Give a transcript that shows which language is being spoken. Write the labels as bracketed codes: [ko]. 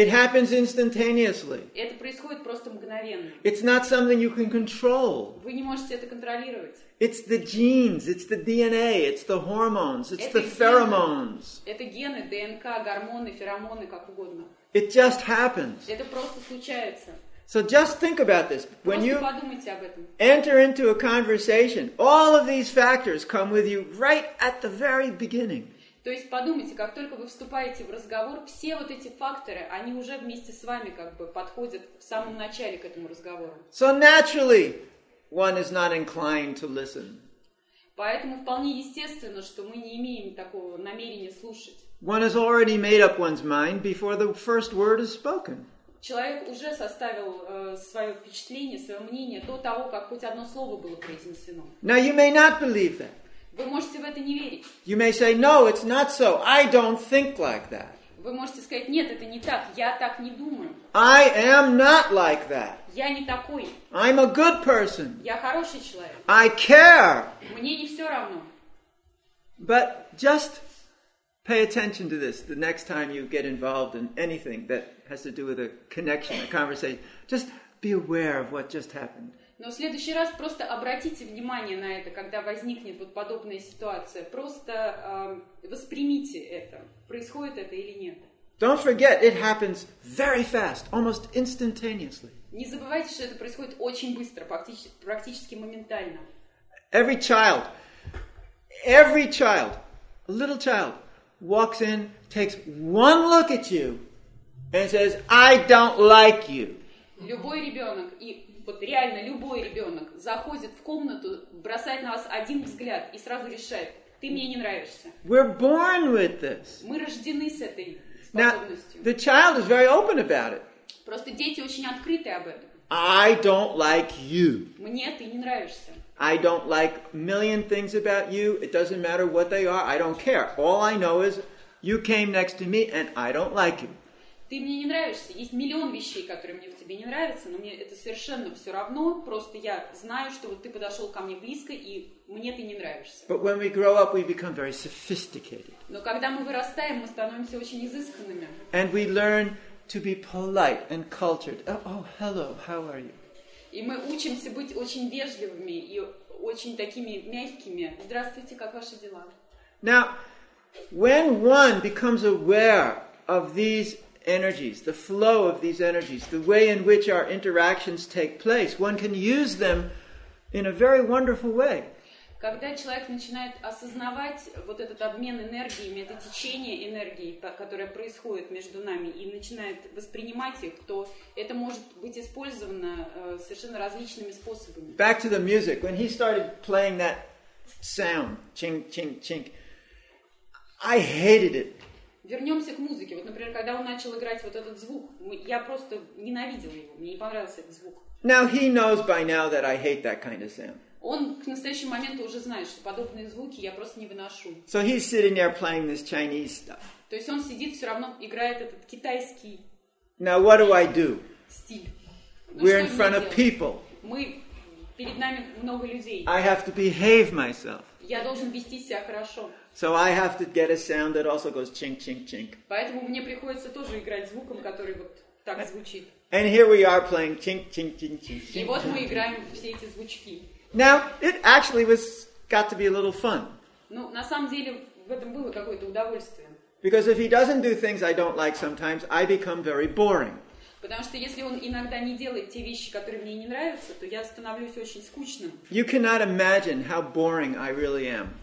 [en] It happens instantaneously. [ru] Это происходит просто мгновенно. [en] It's not something you can control. [ru] Вы не можете это контролировать. [en] It's the genes, it's the DNA, it's the hormones, it's the pheromones. [ru] Это гены, ДНК, гормоны, феромоны, как угодно. [en] It just happens. [ru] Это просто случается. [en] So just think about this. When [ru] просто [en] you [ru] подумайте об этом. [en] Enter into a conversation, all of these factors come with you right at the very beginning. [ru] То есть подумайте, как только вы вступаете в разговор, все вот эти факторы, они уже вместе с вами как бы подходят в самом начале к этому разговору. [en] So naturally, one is not inclined to listen. [ru] Поэтому вполне естественно, что мы не имеем такого намерения слушать. [en] One has already made up one's mind before the first word is spoken. [ru] Человек уже составил свое впечатление, свое мнение до того, как хоть одно слово было произнесено. [en] Now you may not believe that. [ru] Вы можете в это не верить. [en] You may say, no, it's not so. I don't think like that. [ru] Вы можете сказать, нет, это не так. Я так не думаю. [en] I am not like that. [ru] Я не такой. [en] I'm a good person. [ru] Я хороший человек. [en] I care. [ru] Мне не все равно. [en] But just pay attention to this the next time you get involved in anything that has to do with a connection, a conversation. Just be aware of what just happened. [ru] Но в следующий раз просто обратите внимание на это, когда возникнет вот подобная ситуация. Просто воспримите это. Происходит это или нет. [en] Don't forget, it happens very fast, almost instantaneously. [ru] Не забывайте, что это происходит очень быстро, практически моментально. [en] Every child, a little child, walks in, takes one look at you, and says, I don't like you. [ru] Любой ребенок, и вот реально любой ребенок, заходит в комнату, бросает на вас один взгляд и сразу решает, ты мне не нравишься. [en] We're born with this. [ru] Мы рождены с этой способностью. [en] Now, the child is very open about it. [ru] Просто дети очень открыты об этом. [en] I don't like you. [ru] Мне ты не нравишься. [en] I don't like a million things about you. It doesn't matter what they are. I don't care. All I know is you came next to me and I don't like you. [ru] Ты мне не нравишься. Есть миллион вещей, которые мне в тебе не нравятся, но мне это совершенно все равно. Просто я знаю, что вот ты подошел ко мне близко и мне ты не нравишься. [en] But when we grow up, we become very sophisticated. [ru] Но когда мы вырастаем, мы становимся очень изысканными. [en] And we learn to be polite and cultured. Oh, hello, how are you? [ru] И мы учимся быть очень вежливыми и очень такими мягкими. Здравствуйте, как ваши дела? [en] Now, when one becomes aware of these energies, the flow of these energies, the way in which our interactions take place, one can use them in a very wonderful way. [ru] Когда человек начинает осознавать вот этот обмен энергиями, это течение энергии, которое происходит между нами, и начинает воспринимать их, то это может быть использовано совершенно различными способами. [en] Back to the music. When he started playing that sound, chink, chink, chink, I hated it. [ru] Вернемся к музыке. Вот, например, когда он начал играть вот этот звук, я просто ненавидела его, мне не понравился этот звук. [en] Now he knows by now that I hate that kind of sound. [ru] Он к настоящему моменту уже знает, что подобные звуки я просто не выношу. [en] So he's sitting there playing this Chinese stuff. [ru] То есть он сидит, все равно играет этот китайский. [en] Now what do I do? [ru] Стиль. [en] We're in front of people. [ru] Мы перед нами много людей. [en] I have to behave myself. [ru] Я должен вести себя хорошо. [en] So I have to get a sound that also goes chink chink chink. [ru] Поэтому мне приходится тоже играть звуком, который вот так звучит. [en] And here we are playing chink chink chink chink. [ru] И вот мы играем все эти звучки. [en] Now it actually was got to be a little fun. [ru] Ну, на самом деле в этом было какое-то удовольствие. [en] Because if he doesn't do things I don't like sometimes, I become very boring. [ru] Потому что если он иногда не делает те вещи, которые мне не нравятся, то я становлюсь очень скучным. [en] You cannot imagine how boring I really am.